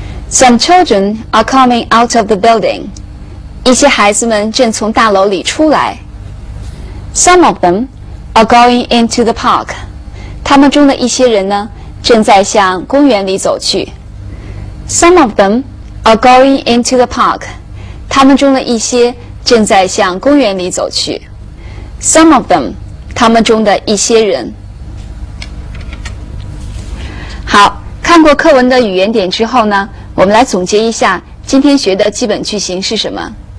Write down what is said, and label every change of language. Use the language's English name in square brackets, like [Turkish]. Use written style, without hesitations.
[English] Some children are coming out of the building. [Chinese] 一些孩子们正从大楼里出来。 [English] Some of them are going into the park. [Chinese] 他们中的一些人呢，正在向公园里走去。 [English] Some of them are going into the park. [Chinese] 他们中的一些正在向公园里走去。 [English] Some of them, [Chinese] 他们中的一些人。好，看过课文的语言点之后呢，我们来总结一下今天学的基本句型是什么。